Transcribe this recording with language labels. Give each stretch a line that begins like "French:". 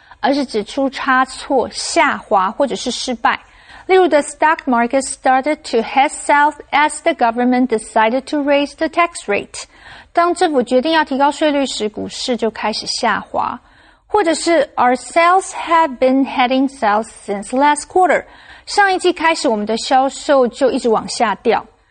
Chinese: 而是指出差错、下滑或者是失败。例如
English: the stock market started to head south as the government decided to raise the tax rate.
Chinese: 当政府决定要提高税率时，股市就开始下滑。或者是
English: our sales have been heading south since last quarter.
Chinese: 上一季开始我们的销售就一直往下掉。